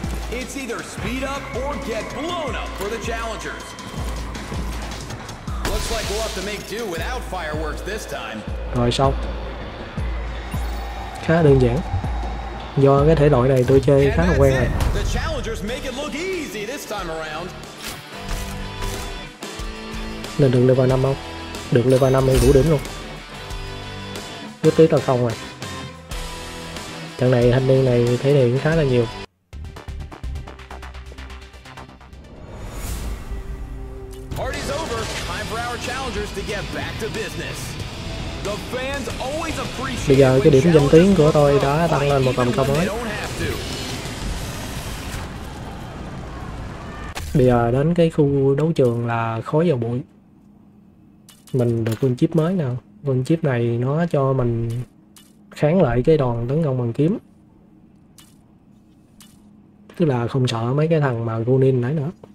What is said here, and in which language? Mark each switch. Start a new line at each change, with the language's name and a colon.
English: It's either speed up or get blown up for the challengers. Looks like we'll have to make do without fireworks this time.
Vietnamese: Rồi xong. Khá đơn giản. Do cái thể loại này tôi chơi khá là quen rồi.
English: The challengers make it look easy this time around.
Vietnamese: Nên được level 5 không? Được level 5 thì đủ điểm luôn. Bước tiếp là xong rồi. Trận này thanh niên này thể hiện khá là nhiều.
English: Party's over. Time for our challengers to get back to business. The fans always appreciate.
Vietnamese: Bây giờ cái điểm danh tiếng của tôi đã tăng lên một tầm cao mới. Bây giờ đến cái khu đấu trường là khói vào bụi. Mình được con chip mới nè. Con chip này nó cho mình kháng lại cái đòn tấn công bằng kiếm, tức là không sợ mấy cái thằng mà Gunin nãy nữa.